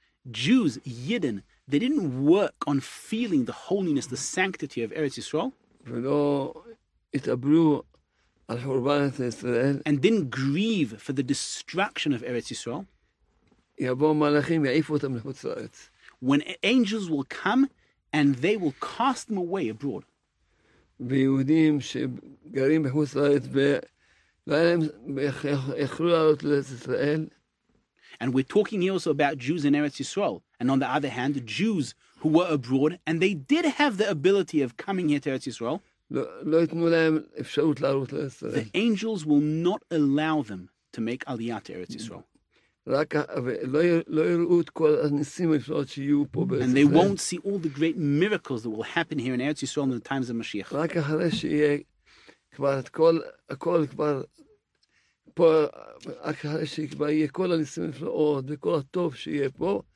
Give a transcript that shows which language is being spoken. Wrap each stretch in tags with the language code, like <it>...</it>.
<en>Jews, Yidden, they didn't work on feeling the holiness, the sanctity of Eretz Yisrael.</en> <he>Velo itablu al churban et Yisrael.</he> <en>And didn't grieve for the destruction of Eretz Yisrael.</en> <he>Yavo malachim ya'ifu otam lechutz la'aretz.</he> <en>When angels will come and they will cast them away abroad.</en> <he>ויהודים שגרים בחוץ לארץ ולהם יכלו לעלות לארץ ישראל.</he> <en>And we're talking here also about Jews in Eretz Yisrael. And on the other hand, Jews who were abroad and they did have the ability of coming here to Eretz Yisrael.</en> <he>לא יתנו להם אפשרות לעלות לארץ ישראל.</he> <en>The angels will not allow them to make Aliyah to Eretz Yisrael.</en> <he>רק, לא יראו את כל הניסים האפשרות שיהיו פה בארץ ישראל.</he> <en>And they won't see all the great miracles that will happen here in Eretz Yisrael in the times of Mashiach.</en> <he>רק אחרי שיהיה כבר את כל, הכל כבר פה, רק אחרי שכבר יהיה כל הניסים האפשרות וכל הטוב שיהיה פה.</he>